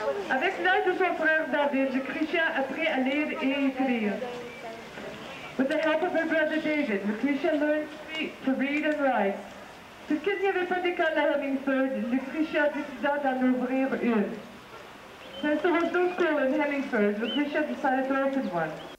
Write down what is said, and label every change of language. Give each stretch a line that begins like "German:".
French: Avec l'aide de son frère David, le Christian apprit à lire et écrire.
English: With the help of her brother David, le Christian learned to read and write.
French: Puisqu'il n'y avait pas d'école à Hemingford, le Christian décida d'en ouvrir une.
English: Since there was no school in Hemingford, le Christian decided to open one.